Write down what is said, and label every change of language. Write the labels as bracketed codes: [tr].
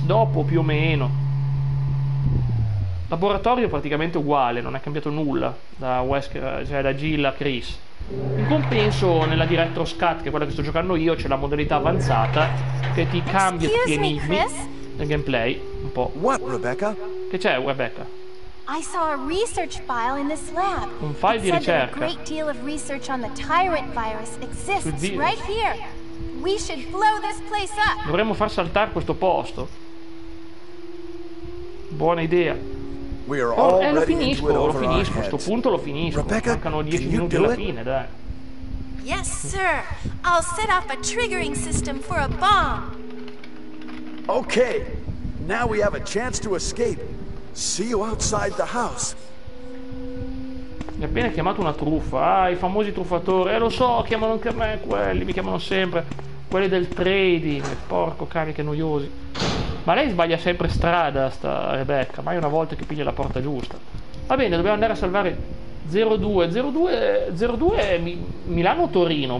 [it] Dopo più o meno. Laboratorio praticamente uguale, non è cambiato nulla da Wesker, cioè da Jill a Chris. In compenso nella Director's Cut, che è quella che sto giocando io, c'è la modalità avanzata che ti cambia gli enigmi nel gameplay un po'. [en] What, Rebecca? [it] Che c'è, Rebecca? [en] I saw a research file in this lab. [it] Un file di ricerca. [en] A great deal of research on the Tyrant virus exists right here. We should blow this place up. [it] Dovremmo far saltare questo posto. Buona idea. [en] We are all ready. [it] Lo finisco. A questo punto lo finisco. Rebecca, mancano 10 minuti alla fine, dai. [en] Yes, sir. I'll set off a triggering system for a bomb. Okay. Now we have a chance to escape. See you outside the house. [it] Mi ha appena chiamato una truffa. Ah, i famosi truffatori. Lo so, chiamano anche me quelli. Mi chiamano sempre quelli del trading. Porco cane, che noiosi. Ma lei sbaglia sempre strada, sta Rebecca. Mai una volta che piglia la porta giusta. Va bene, dobbiamo andare a salvare 02 02 02. Milano o Torino?